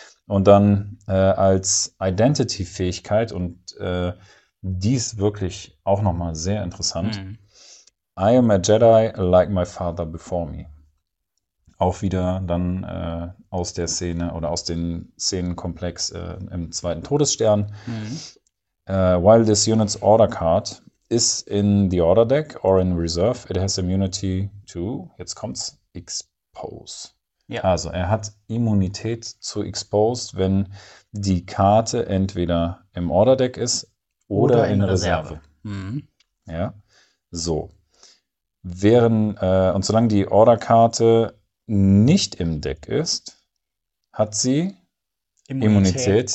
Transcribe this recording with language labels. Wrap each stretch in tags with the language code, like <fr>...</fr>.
<de>Und dann als Identity-Fähigkeit und die ist wirklich auch nochmal sehr interessant. Mhm.</de> <en>I am a Jedi like my father before me.</en> <de>Auch wieder dann aus der Szene oder aus dem Szenenkomplex im zweiten Todesstern. Mhm.</de> <en>While this unit's order card is in the order deck or in reserve, it has immunity to,</en> <de>jetzt kommt's,</de> <en>expose.</en> <de>Ja. Also er hat Immunität zu exposed, wenn die Karte entweder im order deck ist oder in Reserve. Mhm. Ja, so. Und solange die Order-Karte nicht im Deck ist, hat sie Immunität</de>